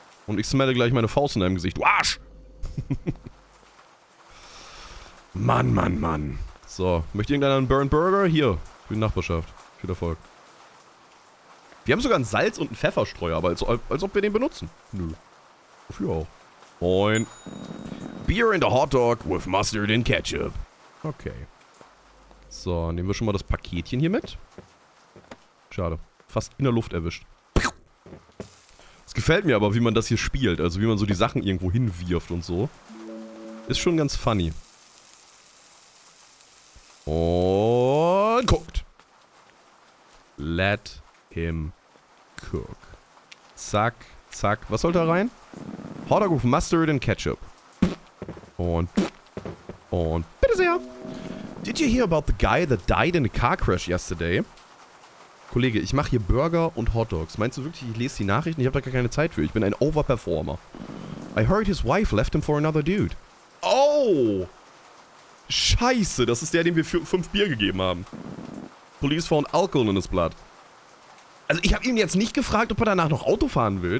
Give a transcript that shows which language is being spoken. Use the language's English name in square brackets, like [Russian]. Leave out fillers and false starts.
[German] Und ich smelle gleich meine Faust in deinem Gesicht. Du Arsch! Mann, Mann, Mann. So, möchte irgendeiner einen Burnt Burger? Hier, für die Nachbarschaft. Viel Erfolg. Wir haben sogar ein Salz und einen Pfefferstreuer, aber als ob wir den benutzen. Nö. Wofür auch? Moin. [English] Beer and a hot dog with mustard and ketchup. Okay. [German] So, nehmen wir schon mal das Paketchen hier mit. Schade. Fast in der Luft erwischt. Es gefällt mir aber, wie man das hier spielt. Also wie man so die Sachen irgendwo hinwirft und so. Ist schon ganz funny. Und guckt. [English] Let him cook. [German] Zack, zack. Was soll da rein? [English] Hotdog with mustard and ketchup. [German] Und bitte sehr. [English] Did you hear about the guy that died in a car crash yesterday? [German] Kollege, ich mache hier Burger und Hotdogs. Meinst du wirklich, ich lese die Nachrichten? Ich habe da gar keine Zeit für. Ich bin ein Overperformer. [English] I heard his wife left him for another dude. Oh! Oh. [German] Scheiße, das ist der, dem wir 5 Bier gegeben haben. [English] Police found alcohol in his blood. [German] Also ich habe ihn jetzt nicht gefragt, ob er danach noch Auto fahren will.